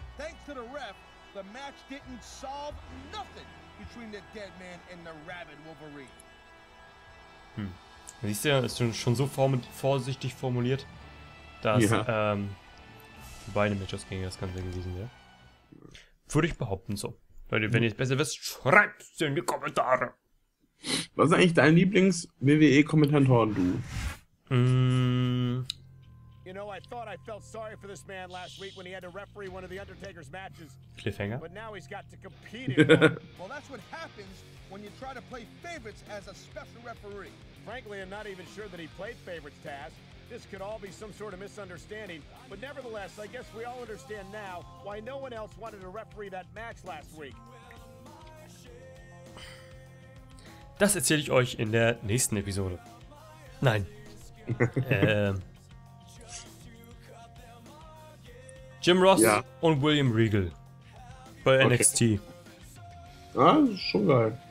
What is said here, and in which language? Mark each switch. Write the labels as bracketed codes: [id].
[en] Thanks to the ref, the match didn't solve nothing between the dead man and the rabid Wolverine. Hm. [de] Siehst du, das ist schon so vorsichtig formuliert, dass beide Matches gegen das Ganze gewesen wäre. Würde ich behaupten so. Leute, wenn ihr es besser wisst, schreibt es in die Kommentare. Was ist eigentlich dein Lieblings-WWE-Kommentatoren-Du? [en] You know, I thought I felt sorry for this man last week when he had to referee one of the Undertaker's matches. Cliffhanger. But now he's got to compete in one. Well, that's what happens when you try to play favorites as a special referee. Frankly, I'm not even sure that he played favorites, Taz. This could all be some sort of misunderstanding. But nevertheless, I guess we all understand now why no one else wanted to referee that match last week. [de] Das erzähle ich euch in der nächsten Episode. Nein. Jim Ross und William Regal bei NXT. Okay. Ah, das ist schon geil.